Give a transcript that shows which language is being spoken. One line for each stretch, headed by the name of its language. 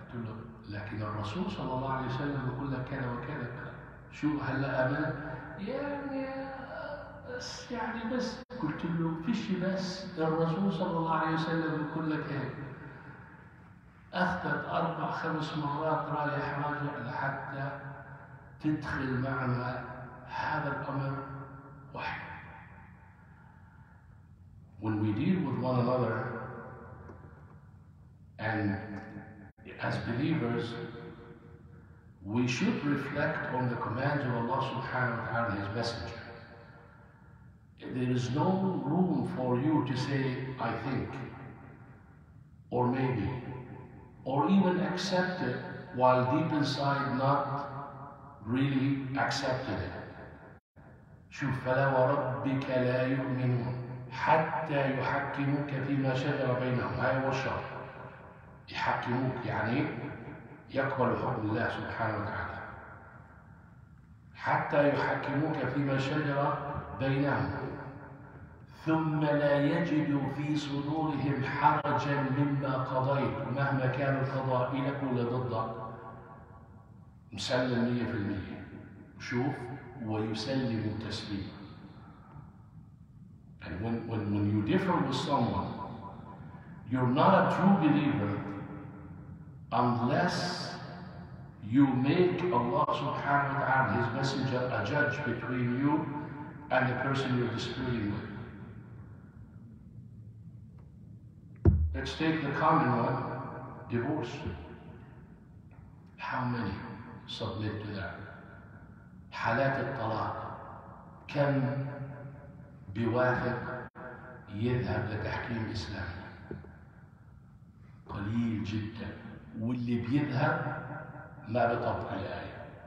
Arabic: قلت له: لكن الرسول صلى الله عليه وسلم يقول لك كذا وكذا، شو هلا أمان؟ يعني بس، يعني بس. قلت له: فيش بس، الرسول صلى الله عليه وسلم يقول لك هيك. أخذت 4-5 مرات رايح راجع لحتى تدخل معنا هذا الأمر واحد.
English: When we deal with one another and as believers, we should reflect on the commands of Allah subhanahu wa ta'ala, His Messenger. There is no room for you to say, I think, or maybe, or even accept it while deep inside not really accepting it.
Arabic: شوف: فلا وربك لا يؤمنون حتى يحكموك فيما شجر بينهم. هاي هو الشرط. يحكموك، يعني يقبل حكم الله سبحانه وتعالى. حتى يحكموك فيما شجر بينهم ثم لا يجدوا في صدورهم حرجا مما قضيت، مهما كان القضاء لك ولا ضدك، مسلم 100%. شوف: ويسلم التسليم.
English: And when you differ with someone, you're not a true believer unless you make Allah subhanahu wa ta'ala, His Messenger, a judge between you and the person you're disagreeing with. Let's take the common one: divorce. How many submit to that?
Arabic: حالات الطلاق، كم بيوافق يذهب لتحكيم إسلامي؟ قليل جدا. واللي بيذهب ما بيطبق الآية.